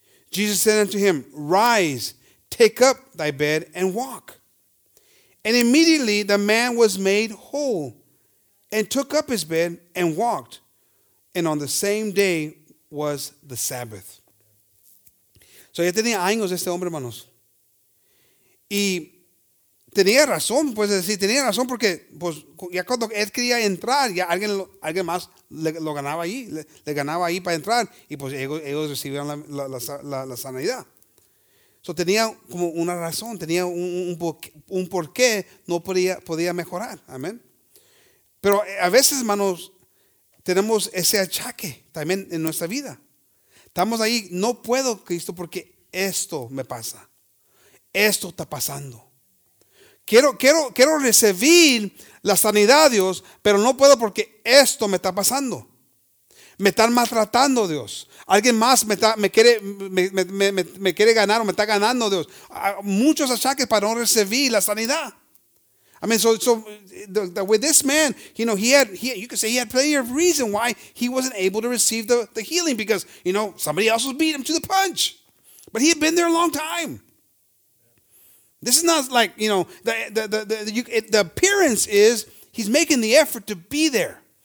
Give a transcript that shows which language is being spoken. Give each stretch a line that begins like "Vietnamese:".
English: Jesus said unto him, Rise, take up thy bed and walk. And immediately the man was made whole and took up his bed and walked. And on the same day was the Sabbath.
Spanish: So ya tenía años este hombre, hermanos. Y tenía razón, pues decir, tenía razón porque pues, ya cuando él quería entrar, ya alguien más le ganaba ahí para entrar y pues ellos recibieron la sanidad. So tenía como una razón, tenía un porqué, no podía mejorar. Amén. Pero a veces, hermanos, tenemos ese achaque también en nuestra vida. Estamos ahí, no puedo, Cristo, porque esto me pasa. Esto está pasando. Quiero recibir la sanidad, Dios, pero no puedo porque esto me está pasando. Me están maltratando, Dios. Alguien más me quiere ganar o me está ganando, Dios. Muchos achaques para no recibir la sanidad.
English: I mean, so with this man, you know, he had plenty of reason why he wasn't able to receive the healing because, you know, somebody else was beating him to the punch. But he had been there a long time. This is not like, you know, the appearance is he's making the effort to be there.